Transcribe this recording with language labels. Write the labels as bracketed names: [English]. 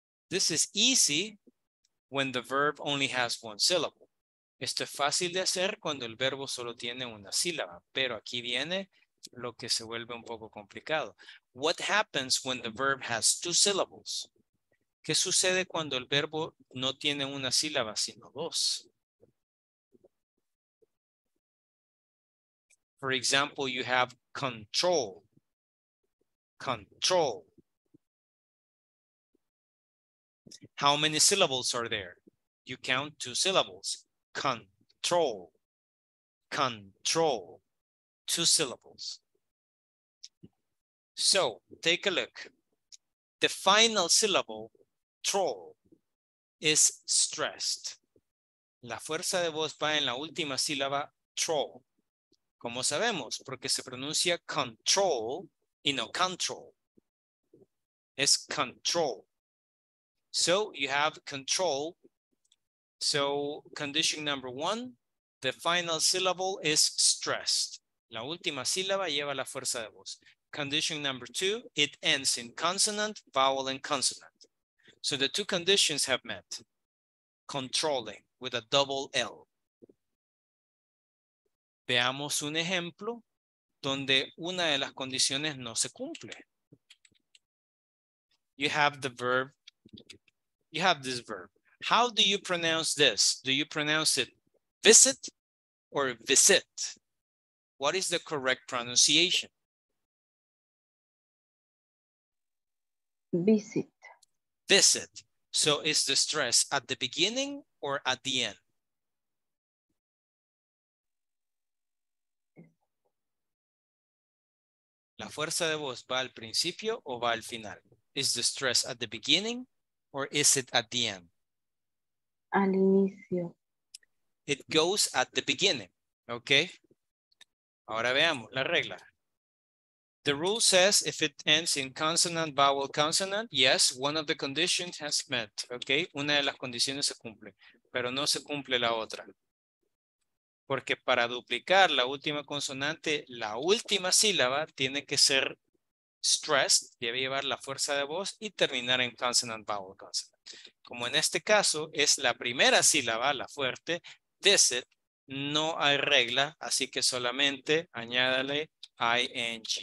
[English] This is easy when the verb only has one syllable. [Spanish] Esto es fácil de hacer cuando el verbo solo tiene una sílaba, pero aquí viene lo que se vuelve un poco complicado. [English] What happens when the verb has two syllables? [Spanish] ¿Qué sucede cuando el verbo no tiene una sílaba, sino dos? [English] For example, you have control. Control. How many syllables are there? You count two syllables. Control. Control. Two syllables. So, take a look. The final syllable, troll, is stressed. [Spanish] La fuerza de voz va en la última sílaba, troll. ¿Cómo sabemos? Porque se pronuncia control y no control. Es control. [English] So you have control. So condition number one, the final syllable is stressed. [Spanish] La última sílaba lleva la fuerza de voz. [English] Condition number two, it ends in consonant, vowel, and consonant. So the two conditions have met. Controlling with a double L. [Spanish] Veamos un ejemplo donde una de las condiciones no se cumple. [English] you have the verb. You have this verb. How do you pronounce this? Do you pronounce it visit or visit? What is the correct pronunciation? Visit. Visit. So is the stress at the beginning or at the end? [Spanish] La fuerza de voz va al principio o va al final? [English] Is the stress at the beginning or is it at the end? [Spanish] Al inicio. [English] It goes at the beginning. Okay. [Spanish] Ahora veamos la regla. [English] The rule says if it ends in consonant, vowel, consonant, yes, one of the conditions has met. Okay. [Spanish] Una de las condiciones se cumple, pero no se cumple la otra. Porque para duplicar la última consonante, la última sílaba tiene que ser stressed, debe llevar la fuerza de voz y terminar en [English] consonant, vowel, consonant. [Spanish] Como en este caso es la primera sílaba, la fuerte, this it, no hay regla, así que solamente añádale ing.